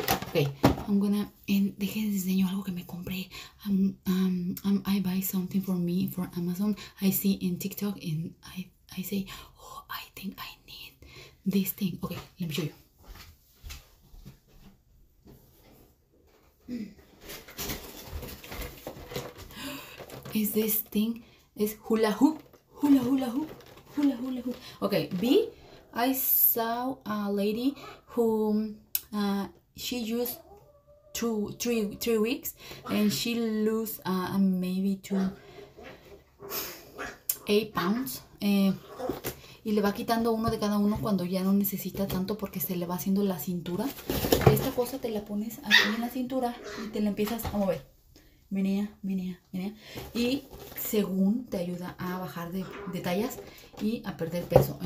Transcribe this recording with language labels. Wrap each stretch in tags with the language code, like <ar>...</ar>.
<es>Okay, dejé de diseño algo que me compré.</es> <en>I buy something for me for Amazon. I see in TikTok and I say, oh, I think I need this thing. Okay, let me show you. Is this thing is hula hoop? Hula hoop. Hula hula hoop. Okay, B. I saw a lady who she used three weeks and she lose maybe 8 pounds.</en> <es>Y le va quitando uno de cada uno cuando ya no necesita tanto porque se le va haciendo la cintura. Esta cosa te la pones aquí en la cintura y te la empiezas a mover. Menea, menea, menea. Y según te ayuda a bajar de tallas y a perder peso.</es>